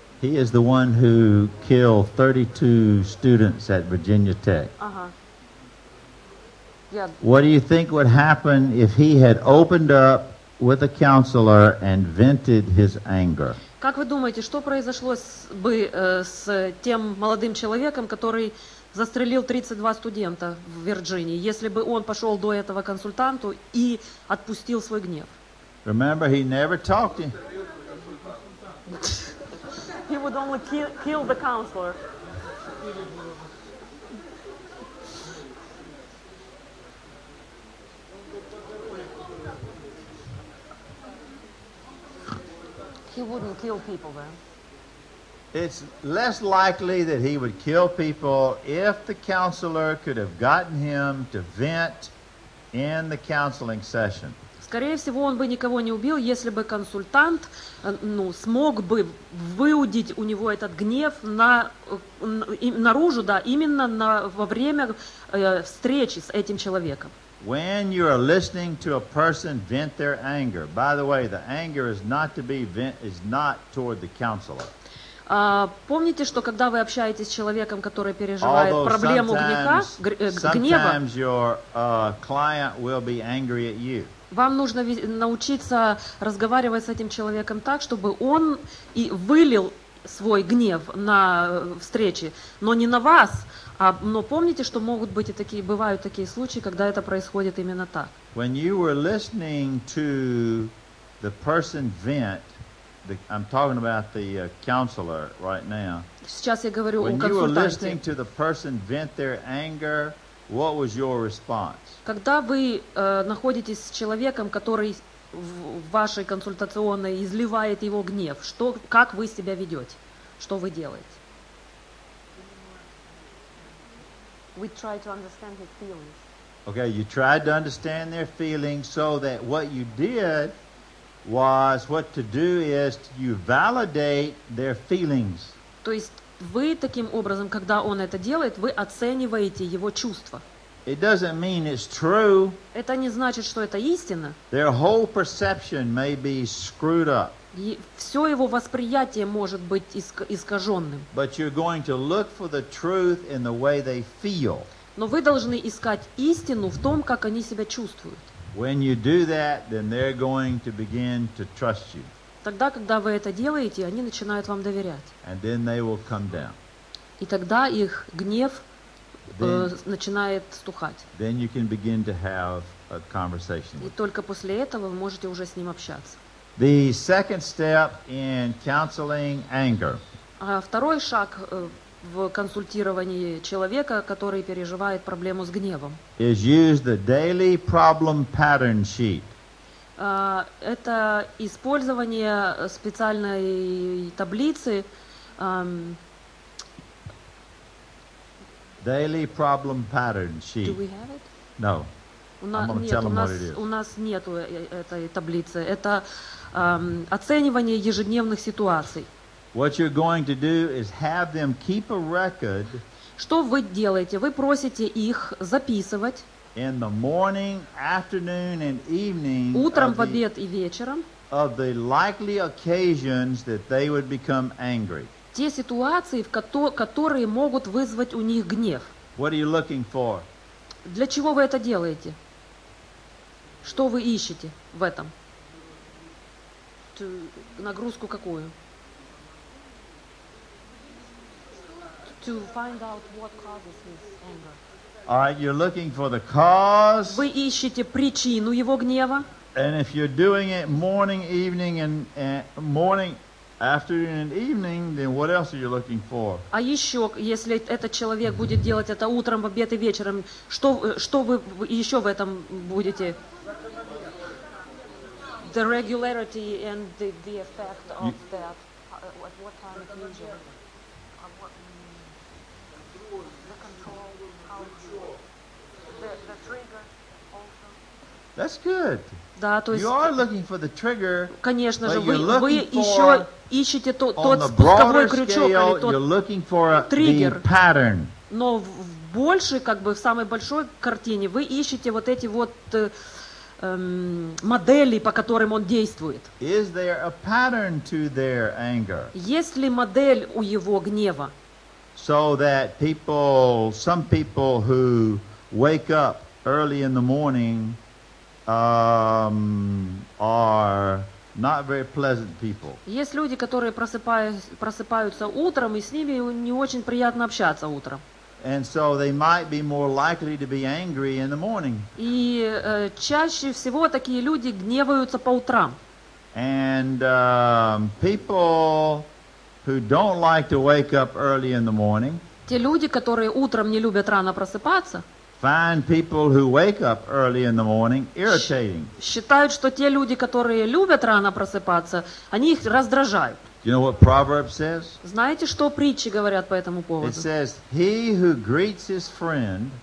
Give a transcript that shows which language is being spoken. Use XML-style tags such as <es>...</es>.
<en>He is the one who killed 32 students at Virginia Tech. Uh-huh. Yeah. What do you think would happen if he had opened up with a counselor and vented his anger?</en> <ru>Как вы думаете, что произошло бы с тем молодым человеком, который застрелил 32 студента в Вирджинии, если бы он пошел до этого консультанту и отпустил свой гнев?</ru> <en>Remember, he never talked to him. He would only kill the counselor. He wouldn't kill people then. It's less likely that he would kill people if the counselor could have gotten him to vent in the counseling session.</en> <ru>Скорее всего, он бы никого не убил, если бы консультант, ну, смог бы выудить у него этот гнев наружу, да, именно во время встречи с этим человеком.</ru> <en>When you are listening to a person vent their anger, by the way, the anger is not to be vent, is not toward the counselor.</en> <ru>Помните, что когда вы общаетесь с человеком, который переживает проблему гнева,</ru> <en>sometimes your client will be angry at you.</en> <ru>Вам нужно научиться разговаривать с этим человеком так, чтобы он и вылил свой гнев на встрече, но не на вас. Но помните, что могут быть и такие, бывают такие случаи, когда это происходит именно так.</ru> <en>When you were listening to the person vent, I'm talking about the counselor right now.</en> <ru>Сейчас я говорю о консультанте.</ru> <en>When you were listening to the person vent their anger, what was your response?</en> <ru>Когда вы находитесь с человеком, который в вашей консультационной изливает его гнев, что, как вы себя ведете? Что вы делаете?</ru> <en>We try to understand his feelings. Okay, you tried to understand their feelings so that what you did was, what to do is you validate their feelings.</en> <ru>То есть вы таким образом, когда он это делает, вы оцениваете его чувства.</ru> <en>It doesn't mean it's true.</en> <ru>Это не значит, что это истина.</ru> <en>Their whole perception may be screwed up.</en> <ru>И все его восприятие может быть искаженным.</ru> <en>But you're going to look for the truth in the way they feel.</en> <ru>Но вы должны искать истину в том, как они себя чувствуют.</ru> <en>When you do that, then they're going to begin to trust you.</en> <ru>Тогда, когда вы это делаете, они начинают вам доверять.</ru> <en>And then they will come down.</en> <ru>И тогда их гнев начинает стухать.</ru> <en>Then you can begin to have a conversation.</en> <ru>И только после этого вы можете уже с ним общаться.</ru> <en>The second step in counseling anger.</en> <ru>Второй шаг в консультировании человека, который переживает проблему с гневом.</ru> <en>Is use the daily problem pattern sheet.</en> <ru>Это использование специальной таблицы.</ru> <en>Daily problem pattern sheet. Do we have it? No.</en> <ru>У нас нету этой таблицы. Это оценивание ежедневных ситуаций.</ru> <en>What you're going to do is have them keep a record.</en> <ru>Что вы делаете? Вы просите их записывать.</ru> <en>In the morning, afternoon, and evening.</en> <ru>Утром, в обед и вечером.</ru> <en>Of the likely occasions that they would become angry.</en> <ru>Те ситуации, которые могут вызвать у них гнев.</ru> <en>What are you looking for?</en> <ru>Для чего вы это делаете? Что вы ищете в этом? Нагрузку какую?</ru> <en>To find out what causes his anger. All right, you're looking for the cause.</en> <ru>Вы ищете причину его гнева.</ru> <en>And if you're doing it morning, evening, and morning, afternoon and evening, then what else are you looking for?</en> <ru>А еще, если этот человек будет делать это утром, в обед и вечером, что вы еще в этом будете?</ru> <en>The regularity and the effect of you, that. At what time it usually? The control, how the trigger also. That's good.</en> <ru>Да, то есть,</ru> <en>you are looking for the trigger,</en> <ru>конечно</ru> <en>but</en> <ru>же,</ru> <en>you're looking</en> <ru>вы еще ищете то, тот спусковой крючок</ru> <en>scale,</en> <ru>или тот</ru> <en>you're looking for a,</en> <ru>триггер.</ru> <en>The pattern.</en> <ru>Но в большей, как бы, в самой большой картине вы ищете вот эти вот модели, по которым он действует.</ru> <en>Is there a pattern to their anger?</en> <ru>Есть ли модель у его гнева?</ru> <en>So that people, some people who wake up early in the morning are not very pleasant people.</en> <ru>Есть люди, которые просыпаются утром, и с ними не очень приятно общаться утром.</ru> <en>And so they might be more likely to be angry in the morning.</en> <ru>И чаще всего такие люди гневаются по утрам.</ru> <en>And people who don't like to wake up early in the morning.</en> <ru>Те люди, которые утром не любят рано просыпаться.</ru> <en>Find people who wake up early in the morning irritating.</en> <ru>Считают, что те люди, которые любят рано просыпаться, они их раздражают.</ru> <en>Do you know what Proverbs says?</en> <ru>Знаете, что притчи говорят по этому поводу?</ru> <en>It says, he who greets his friend.</en>